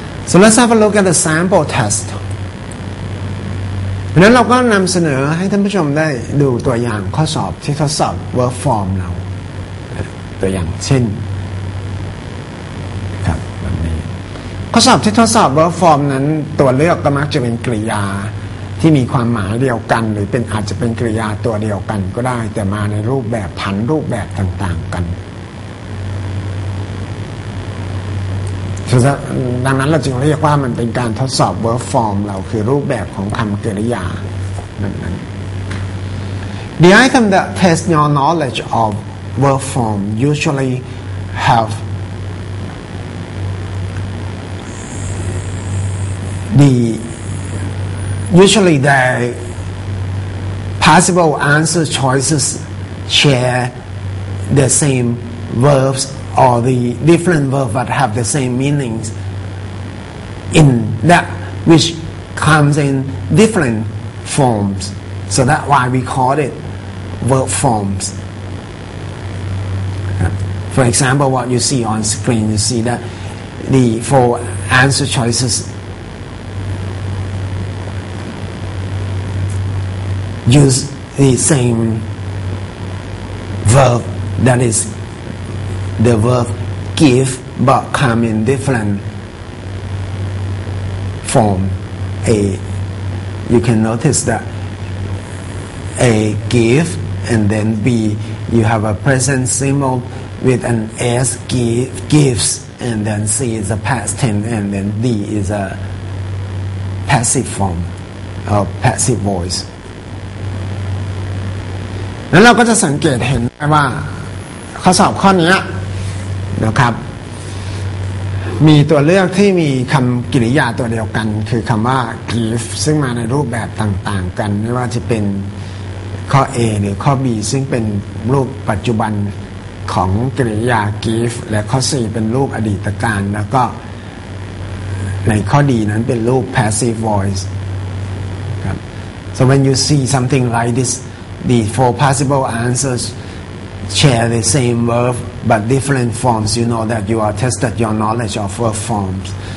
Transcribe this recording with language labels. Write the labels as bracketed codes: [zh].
[en] So let's have a look at the sample test. [th] ดังนั้นเราก็นำเสนอให้ท่านผู้ชมได้ดูตัวอย่างข้อสอบที่ทดสอบ verb form เราตัวอย่างเช่นข้อสอบที่ทดสอบ verb form นั้นตัวเลือกก็มักจะเป็นกริยาที่มีความหมายเดียวกันหรือเป็นอาจจะเป็นกริยาตัวเดียวกันก็ได้แต่มาในรูปแบบพันรูปแบบต่างๆกัน ดังนั้นเราจึงเรียกว่ามันเป็นการทดสอบ verb form เราคือรูปแบบของคำกริยา [en] The item that tests your knowledge of verb form usually haveUsually the possible answer choices share the same verbs or the different verbs that have the same meanings in that which comes in different forms. So that's why we call it verb forms. For example, what you see on screen, you see that the four answer choices use the same verb, that is the verb give, but come in different form. A, you can notice that A give, and then B, you have a present symbol with an S, gives, and then C is a past tense, and then D is a passive form or passive voice. [th] แล้วเราก็จะสังเกตเห็นได้ว่าข้อสอบข้อนี้นะครับมีตัวเลือกที่มีคำกริยาตัวเดียวกันคือคำว่า give, ซึ่งมาในรูปแบบต่างๆกันไม่ว่าจะเป็น ข้อ A หรือข้อ B ซึ่งเป็นรูปปัจจุบันของกริยา give และข้อ C เป็นรูปอดีตการแล้วก็ในข้อ D นั้นเป็นรูป passive voice ครับ [en] so when you see something like thisThe four possible answers share the same verb but different forms. You know that you are tested your knowledge of verb forms.